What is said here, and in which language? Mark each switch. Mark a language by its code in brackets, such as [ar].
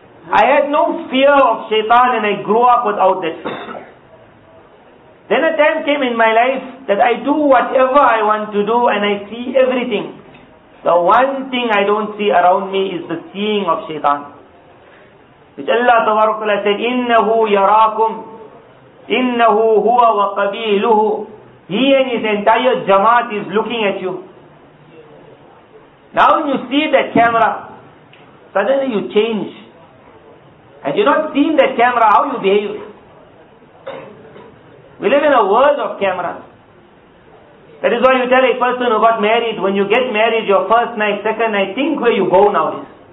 [en] I had no fear of shaitan and I grew up without that fear. Then a time came in my life that I do whatever I want to do and I see everything. The one thing I don't see around me is the seeing of shaitan. Which Allah Tawarakala said, [ar] إِنَّهُ يَرَاكُمْ إِنَّهُ هُوَ وَقَبِيلُهُ. [en] He and his entire jamaat is looking at you. Now when you see that camera, suddenly you change. And you're not seeing that camera, how you behave? We live in a world of cameras. That is why you tell a person who got married, when you get married your first night, second night, think where you go nowadays.